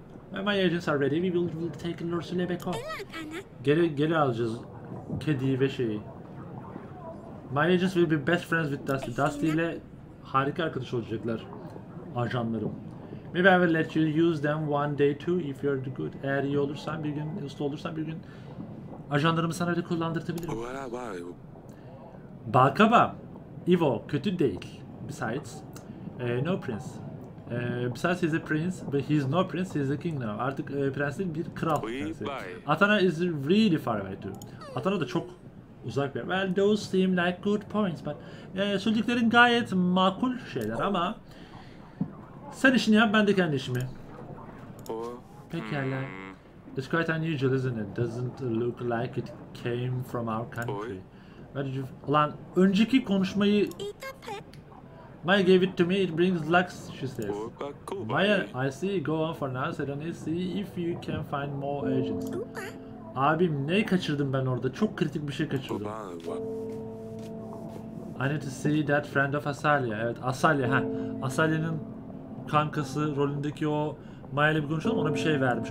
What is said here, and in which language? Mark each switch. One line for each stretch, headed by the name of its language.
English: When my agents are ready, we will take Lursilia back home.
Turkish: Geri alacağız kediyi ve şeyi.
English: My agents will be best friends with Dusty.
Turkish: Dusty ile harika arkadaş olacaklar. Ajanlarım.
English: Maybe I will let you use them one day too if you're the good.
Turkish: Eğer iyi olursan bir gün, usta olursan bir gün ajanlarımı sana da kullandırtabilirim. Balkaba, Ivo kötü değil.
English: Besides, no prince. Besides he's a prince, but he's no prince, he's a king now.
Turkish: Artık prens değil, bir kral.
English: Athena is really far away too.
Turkish: Athena da çok uzak bir yer.
English: Well, those seem like good points, but
Turkish: söylediklerin gayet makul şeyler ama sen işini yap, ben de kendi işimi. Pekala.
English: It's quite unusual, isn't it? Doesn't look like it came from our country.
Turkish: Ulan önceki konuşmayı...
English: Maya gave it to me, it brings luck, she says. Maya, I see, go on for now, Serena, see if you can find more agents.
Turkish: Abim, neyi kaçırdım ben orada? Çok kritik bir şey kaçırdım.
English: I need to see that friend of Asalia.
Turkish: Evet, Asalia, ha. Asalia'nın kankası rolündeki o Maya ile bir konuşalım, ona bir şey vermiş.